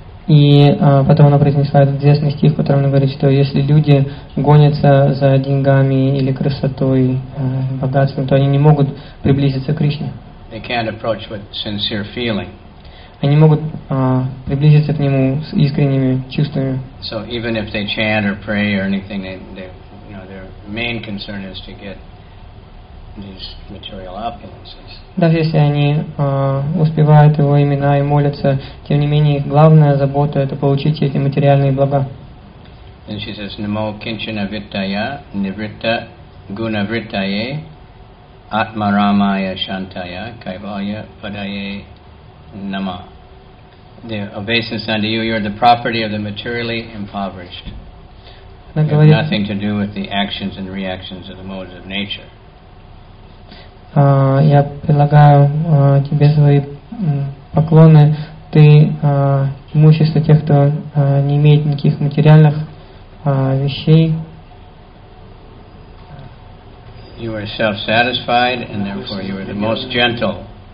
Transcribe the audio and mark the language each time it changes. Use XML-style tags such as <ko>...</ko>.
<ru>И потом она произнесла этот известный стих, в котором она говорит, что если люди гонятся за деньгами или красотой, богатством, то они не могут приблизиться к Кришне.</ru> <en>They can't approach with sincere feeling.</en> <ru>Они могут приблизиться к Нему с искренними чувствами.</ru> <en>So even if they chant or pray or anything, they, you know, their main concern is to get these material opulences.</en> <ru>Даже если они успевают его имена и молятся, тем не менее их главная забота это получить эти материальные блага.</ru> <en>And she says,</en> <sa>Namo kinchana vittaya nivritta guna vrittaye atmaramaya shantaya kaivalya padaye nama.</sa> <en>The obeisance unto you, you are the property of the materially impoverished. You have nothing to do with the actions and reactions of the modes of nature.</en> <ru>Я предлагаю тебе свои поклоны. Ты имущество тех, кто не имеет никаких материальных вещей.</ru> <en>You are self-satisfied, and therefore you are the most gentle.</en>